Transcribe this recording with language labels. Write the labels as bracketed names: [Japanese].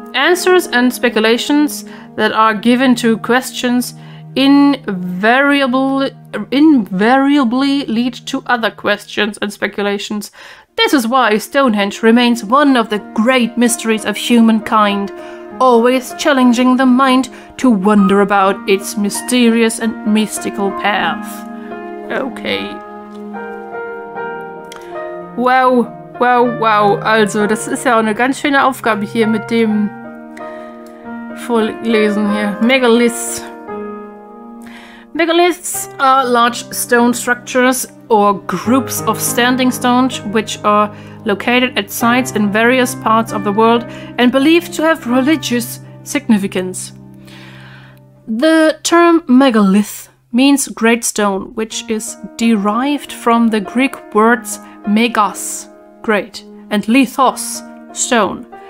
[English] Answers and speculations that are given to questions invariably lead to other questions and speculations. This is why Stonehenge remains one of the great mysteries of humankind, always challenging the mind to wonder about its mysterious and mystical path. Okay. Wow. [German] Wow, wow, also das ist ja auch eine ganz schöne Aufgabe hier mit dem Vorlesen hier. [English] Megaliths. Megaliths are large stone structures or groups of standing stones which are located at sites in various parts of the world and believed to have religious significance. The term megalith means great stone, which is derived from the Greek words megas, great, and lithos, stone.